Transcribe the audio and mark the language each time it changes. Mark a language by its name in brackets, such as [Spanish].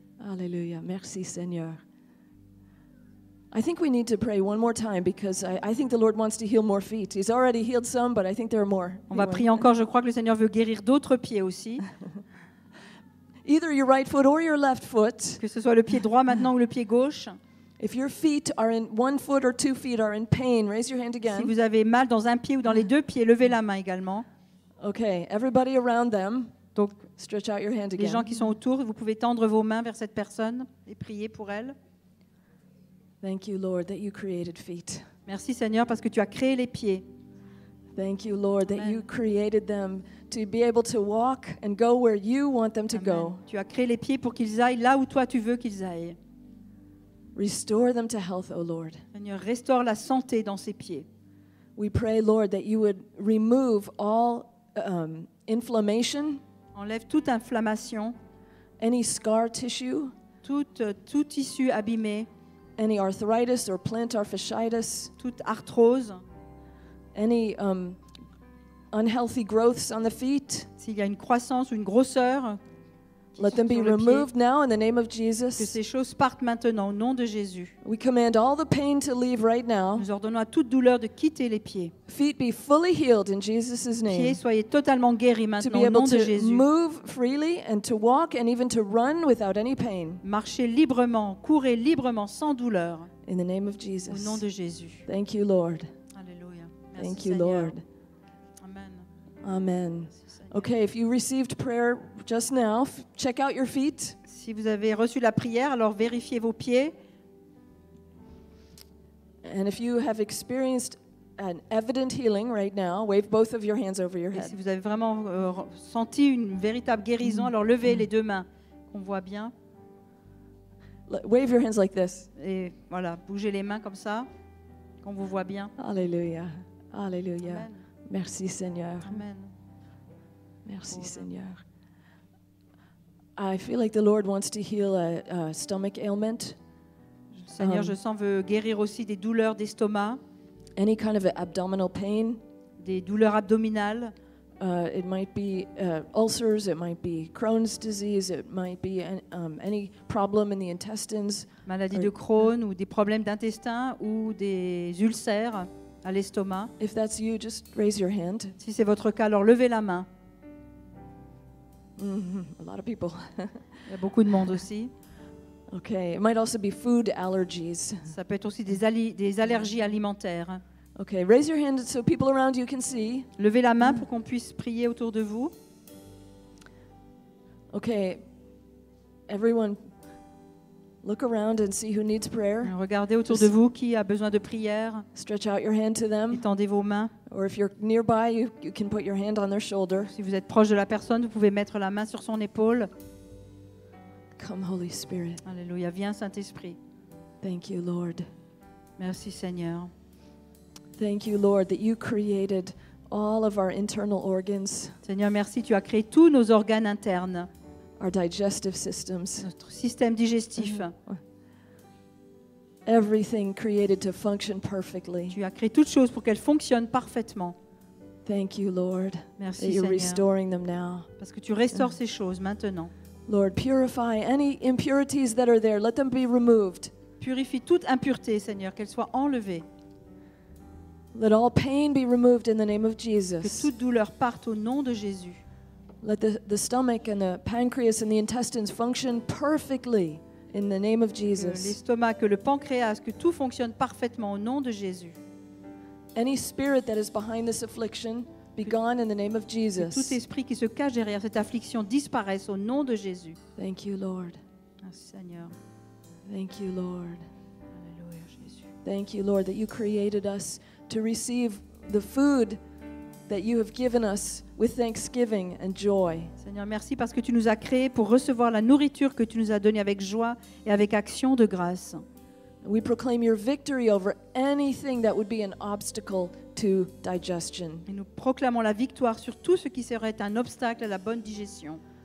[French] Alléluia. Merci, Seigneur. [English] I think we need to pray one more time because I think the Lord wants to heal more feet. He's already healed some, but I think there are more. [French] On va prier encore, je crois que le Seigneur veut guérir d'autres pieds aussi. [English] Either your right foot or your left foot. [French] Que ce soit le pied droit maintenant ou le pied gauche. [English] If your feet are in one foot or two feet are in pain, raise your hand again. [French] Si vous avez mal dans un pied ou dans les deux pieds, levez la main également. [English] Okay, everybody around them. [French] Donc, [English] stretch out your hand again. [French] Les gens qui sont autour, vous pouvez tendre vos mains vers cette personne et prier pour elle. [English] Thank you, Lord, that you created feet. [French] Merci, Seigneur, parce que tu as créé les pieds. [English] Thank you, Lord, that you created them to be able to walk and go where you want them to go. [French] Tu as créé les pieds pour qu'ils aillent là où toi tu veux qu'ils aillent. [English] Restore them to health, O Lord. [French] Seigneur, restaure la santé dans ses pieds. [English] We pray, Lord, that you would remove all inflammation. [French] Enlève toute inflammation. [English] Any scar tissue. [French] Tout tissu abîmé. [English] Any arthritis or plantar fasciitis, [French] toute arthrose, [English] any unhealthy growths on the feet, [French] s'il y a une croissance ou une grosseur, [English] let them be removed now in the name of Jesus. [French] Que ces choses partent maintenant au nom de Jésus. [English] We command all the pain to leave right now. [French] Nous ordonnons à toute douleur de quitter les pieds. [English] Feet be fully healed in Jesus' name. [French] Pieds soyez totalement guéris maintenant au nom de Jésus. [English] To move freely and to walk and even to run without any pain. [French] Marcher librement, courir librement sans douleur. [English] In the name of Jesus. [French] Au nom de Jésus. [English] Thank you, Lord. [French] Alléluia. [English] Thank you, Lord. Amen. Amen. Okay, if you received prayer just now, check out your feet. [French] Si vous avez reçu la prière, alors vérifiez vos pieds. [English] And if you have experienced an evident healing right now, wave both of your hands over your head. [French] Et si vous avez vraiment senti une véritable guérison, alors levez les deux mains, qu'on voit bien. [English] Wave your hands like this. [French] Et voilà, bougez les mains comme ça, qu'on vous voit bien. Alléluia. Alléluia. Amen. Merci, Seigneur. Amen. Merci, Seigneur. [English] I feel like the Lord wants to heal a stomach ailment. [French] Seigneur, je sens veut guérir aussi des douleurs d'estomac. [English] Any kind of abdominal pain. [French] Des douleurs abdominales. [English] It might be ulcers. It might be Crohn's disease. It might be any problem in the intestines. [French] Maladie de Crohn ou des problèmes d'intestin ou des ulcères à l'estomac. [English] If that's you, just raise your hand. [French] Si c'est votre cas, alors levez la main. [English] A lot of people. [French] Il y a beaucoup de monde aussi. [English] Okay, it might also be food allergies. [French] Ça peut être aussi des allergies alimentaires. [English] Okay, raise your hand so people around you can see. [French] Levez la main pour qu'on puisse prier autour de vous. [English] Okay, everyone, look around and see who needs prayer. [French] Regardez autour de vous qui a besoin de prière. [English] Stretch out your hand to them. [French] Étendez vos mains. [English] Or if you're nearby, you can put your hand on their shoulder. [French] Si vous êtes proche de la personne, vous pouvez mettre la main sur son épaule. [English] Come Holy Spirit. [French] Alléluia, viens Saint-Esprit. [English] Thank you Lord. [French] Merci Seigneur. [English] Thank you Lord that you created all of our internal organs. [French] Seigneur, merci, tu as créé tous nos organes internes. [English] Our digestive systems. [French] Notre système digestif. [English] everything created to function perfectly. [French] Tu as créé toutes choses pour qu'elles fonctionnent parfaitement. [English] Thank you, Lord. [French] Merci, [English] that you're [French] Seigneur. [English] Restoring them now. [French] Parce que tu restaures ces choses maintenant. [English] Lord, purify any impurities that are there. Let them be removed. [French] Purifie toute impureté, Seigneur, qu'elle soit enlevée. [English] Let all pain be removed in the name of Jesus. [French] Que toute douleur parte au nom de Jésus. [English] Let the stomach and the pancreas and the intestines function perfectly in the name of Jesus. [French] Que l'estomac, que le pancréas, que tout fonctionne parfaitement au nom de Jésus. [English] Any spirit that is behind this affliction be gone in the name of Jesus. [French] Que tout esprit qui se cache derrière cette affliction disparaisse au nom de Jésus. [English] Thank you, Lord. [French] Merci, Seigneur. [English] Thank you, Lord. [French] Alléluia, Jésus. [English] Thank you, Lord, that you created us to receive the food that you have given us with thanksgiving and joy. [French] Seigneur, merci parce que tu nous as créés pour recevoir la nourriture que tu nous as donnée avec joie et avec action de grâce. [English] We proclaim your victory over anything that would be an obstacle to digestion. [French] Et nous proclamons la victoire sur tout ce qui serait un obstacle à la bonne digestion.